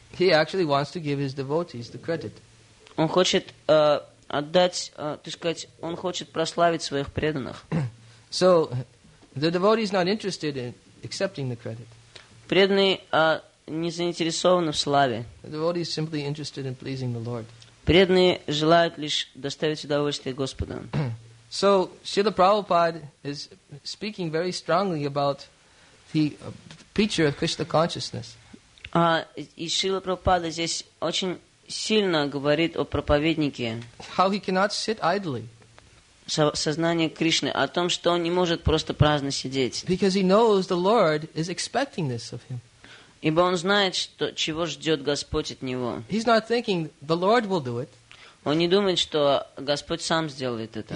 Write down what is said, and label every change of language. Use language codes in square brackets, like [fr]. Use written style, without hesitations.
[en] He actually wants to give his devotees the credit. [ru] Он хочет он хочет прославить своих преданных. [en] So the devotee is not interested in accepting the credit. [ru] Преданный не заинтересован в славе. [en] The devotee is simply interested in pleasing the Lord. [ru] Преданные желают лишь доставить удовольствие Господу. [en] So Srila Prabhupada is speaking very strongly about the picture of Krishna consciousness. [ru] И Шрила Прабхупада здесь очень сильно говорит о проповеднике. [en] How he cannot sit idly. [ru] Сознание Кришны о том, что он не может просто праздно сидеть. [en] Because he knows the Lord is expecting this of him. [ru] Ибо он знает, что чего ждет Господь от него. [en] He's not thinking the Lord will do it. [ru] Он не думает, что Господь сам сделает это.